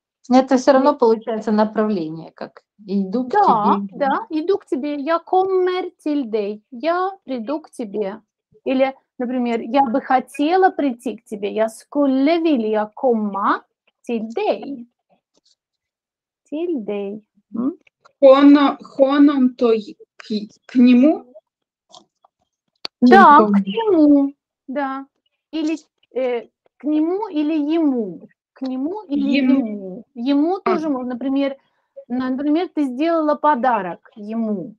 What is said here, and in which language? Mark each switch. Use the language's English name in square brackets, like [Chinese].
[Russian] Это все равно получается направление, как иду к тебе. Да, да, иду к тебе. Я [Swedish] kommer till dig. [Russian] Я приду к тебе. Или, например, я бы хотела прийти к тебе. [Swedish] Я skulle vilja komma till dig. Till dig. Honom, [Russian] то к нему? Да, к нему. Да. Или к нему или ему. К нему или ему. Ему тоже, например, ты сделала подарок ему.